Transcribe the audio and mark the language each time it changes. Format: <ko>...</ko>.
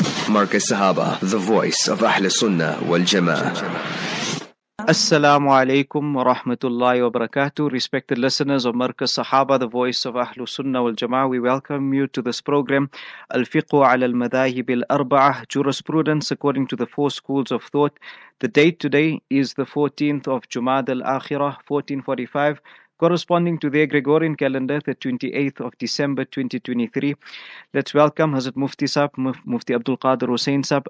<ar>مارك السهابة،</ar> <en>The Voice of</en> <ar>أهل السنة والجماعة. السلام عليكم ورحمة الله وبركاته.</ar> <en>Respected listeners of مارك السهابة، The Voice of</en> <ar>أهل السنة والجماعة.</ar> <en>We welcome you to this program.</en> <ar>الفقه على المذاهب الأربعة.</ar> <en>Jurisprudence according to the four schools of thought. The date today is the 14th of جماد الآخرة 1445. Corresponding to their Gregorian calendar, the 28th of December, 2023. Let's welcome Hazrat Mufti Saab, Mufti Abdul Qadir Hussain Saab.</en>